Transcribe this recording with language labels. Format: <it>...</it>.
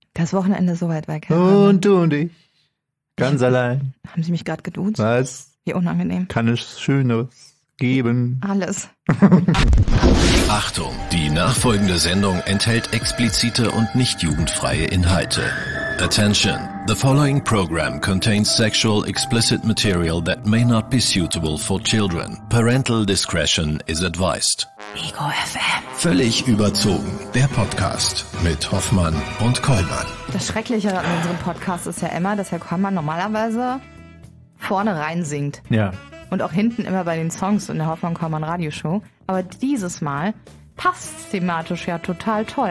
<de>Das Wochenende ist soweit, weil kein Sonne. Und du und ich. Ganz allein. Haben Sie mich gerade geduzt? Was Wie unangenehm. kann es Schöneres geben? Alles. Achtung, die nachfolgende Sendung enthält explizite und nicht jugendfreie Inhalte.</de> <en>Attention, the following program contains sexual explicit material that may not be suitable for children. Parental discretion is advised.</en> <de>Ego FM. Völlig überzogen, der Podcast mit Hoffmann und Kollmann. Das Schreckliche an unserem Podcast ist ja immer, dass Herr Kollmann normalerweise vorne rein singt. Ja. Und auch hinten immer bei den Songs in der Hoffmann-Kollmann-Radioshow. Aber dieses Mal passt thematisch ja total toll.</de>